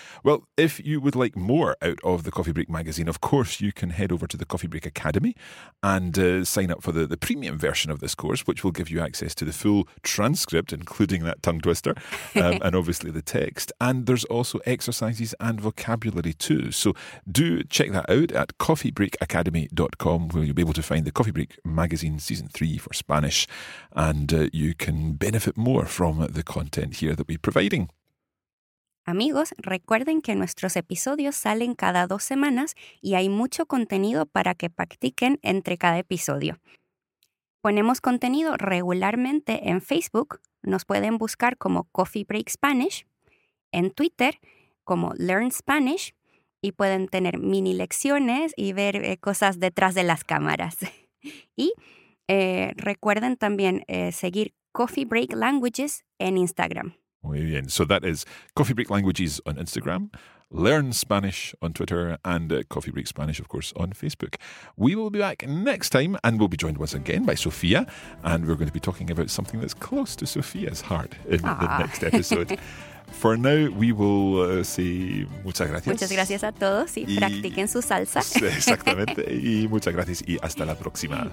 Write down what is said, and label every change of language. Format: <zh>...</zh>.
<en>Well, if you would like more out of the Coffee Break magazine, of course, you can head over to the Coffee Break Academy and sign up for the premium version of this course, which will give you access to the full transcript, including that tongue twister, and obviously the text. And there's also exercises and vocabulary too. So do check that out at coffeebreakacademy.com, where you'll be able to find the Coffee Break magazine season 3 for Spanish, and you can benefit more from the content here that we're providing.</en> <es>Amigos, recuerden que nuestros episodios salen cada 2 semanas y hay mucho contenido para que practiquen entre cada episodio. Ponemos contenido regularmente en Facebook, nos pueden buscar como Coffee Break Spanish, en Twitter como Learn Spanish, y pueden tener mini lecciones y ver cosas detrás de las cámaras. Y recuerden también seguir Coffee Break Languages en Instagram. Muy bien.</es> <en>So that is Coffee Break Languages on Instagram, Learn Spanish on Twitter, and Coffee Break Spanish, of course, on Facebook. We will be back next time, and we'll be joined once again by Sofia, and we're going to be talking about something that's close to Sofia's heart in the next episode. For now, we will say</en> <es>muchas gracias. Muchas gracias a todos y practiquen su salsa. Exactamente. Y muchas gracias y hasta la próxima.</es>